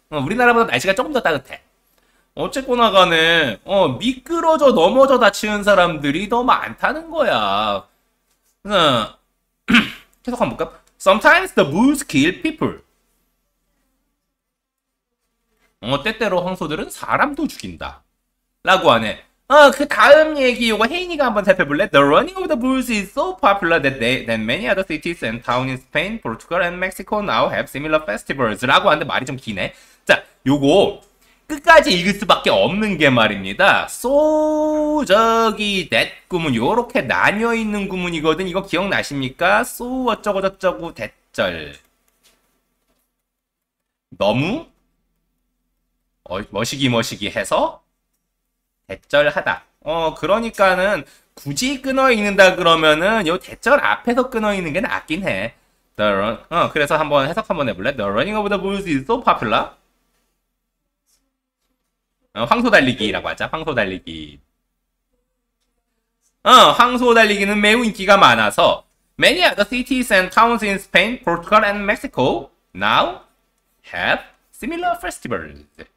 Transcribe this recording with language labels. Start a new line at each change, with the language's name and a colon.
Korean: 어, 우리나라보다 날씨가 조금 더 따뜻해. 어쨌거나간에 어 미끄러져 넘어져 다치는 사람들이 더 많다는 거야. 계속 한번 볼까?
English: Sometimes the bulls kill people.
Korean: 어 때때로 황소들은 사람도 죽인다.라고 하네. 아, 그 다음 얘기 요거 혜인이가 한번 살펴볼래?
English: The running of the bulls is so popular that, that many other cities and towns in Spain, Portugal, and Mexico now have similar festivals.
Korean: 라고 하는데 말이 좀 기네. 자, 요거 끝까지 읽을 수밖에 없는 게 말입니다. So, 저기, that 구문 요렇게 나뉘어 있는 구문이거든. 이거 기억나십니까? So, 어쩌고 저쩌고, that절. 너무? 어, 머시기 머시기 해서? 대절하다. 어, 그러니까는 굳이 끊어 있는다 그러면은 요 대절 앞에서 끊어 있는 게 낫긴 해. The run, 어, 그래서 한번 해석 한번 해볼래?
English: The running of the bulls is so popular.
Korean: 어, 황소 달리기라고 하자. 황소 달리기. 어, 황소 달리기는 매우 인기가 많아서
English: many other cities and towns in Spain, Portugal and Mexico now have similar festivals.